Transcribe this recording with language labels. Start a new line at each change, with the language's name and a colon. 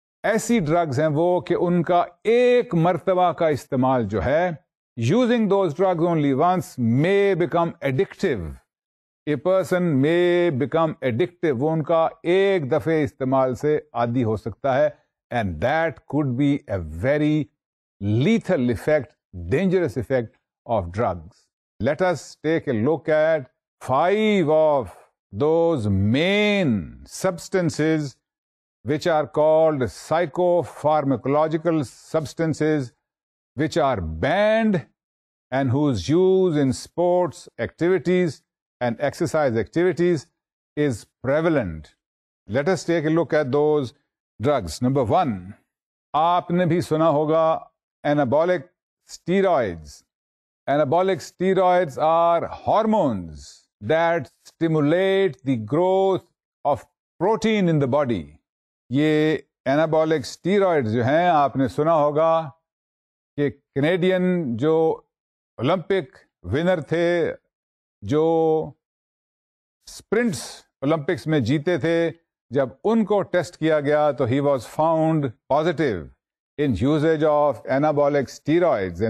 Urdu: ایسی ڈرگز ہیں وہ کہ ان کا ایک مرتبہ کا استعمال جو ہے,
English: using those drugs only once, may become addictive. A person may become addictive.
Urdu: وہ ان کا ایک دفعہ استعمال سے عادی ہو سکتا ہے.
English: And that could be a very lethal effect, dangerous effect of drugs. Let us take a look at five of those main substances which are called psychopharmacological substances which are banned and whose use in sports activities and exercise activities is prevalent. Let us take a look at those drugs. Number one,
Urdu: آپ نے بھی سنا ہوگا anabolic steroids.
English: Anabolic steroids are hormones that stimulate the growth of protein in the body.
Urdu: یہ anabolic steroids جو ہیں آپ نے سنا ہوگا کہ کینیڈین جو اولمپک ونر تھے, جو اسپرنٹس اولمپکس میں جیتے تھے, جب ان کو ٹیسٹ کیا گیا تو
English: ہی was found positive in usage of anabolic steroids.